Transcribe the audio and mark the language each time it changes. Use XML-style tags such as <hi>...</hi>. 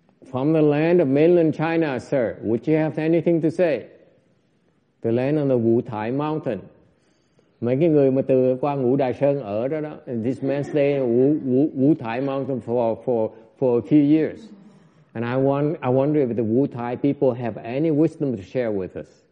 <en>From the land of mainland China, sir, would you have anything to say? The land on the Wu Tai Mountain.</en> <vi>Mấy cái người mà từ qua Ngũ Đại Sơn ở đó đó,</vi> <en>this man stay in Wu Tai Mountain for a few years. And I wonder if the Wu Tai people have any wisdom to share with us.</en>